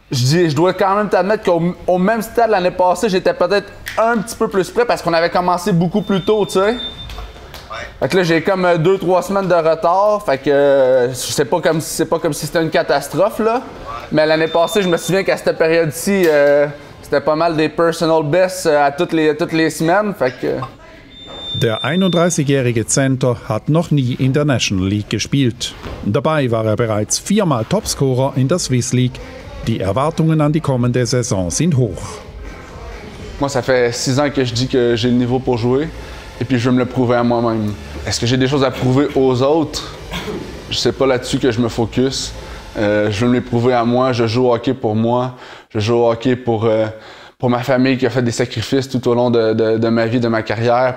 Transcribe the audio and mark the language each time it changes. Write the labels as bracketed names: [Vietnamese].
[French] Je dois quand même t'admettre qu'au même stade l'année passée, j'étais peut-être un petit peu plus prêt parce qu'on avait commencé beaucoup plus tôt, tu sais? Fait que là, j'ai comme 2-3 semaines de retard, fait que c'est pas comme si c'était une catastrophe, là. Mais l'année passée, je me souviens qu'à cette période-ci, c'était pas mal des [English] personal bests [French] à toutes les semaines, fait que... [German] Der 31-jährige Center hat noch nie in der National League gespielt. Dabei war er bereits viermal Topscorer in der Swiss League. Die Erwartungen an die kommende Saison sind hoch. [French] Moi, ça fait 6 ans que je dis que j'ai le niveau pour jouer. Et puis je veux me le prouver à moi-même. Est-ce que j'ai des choses à prouver aux autres? Je sais pas là-dessus que je me focus. Je veux me les prouver à moi. Je joue au hockey pour moi. Je joue au hockey pour ma famille qui a fait des sacrifices tout au long de ma vie, de ma carrière.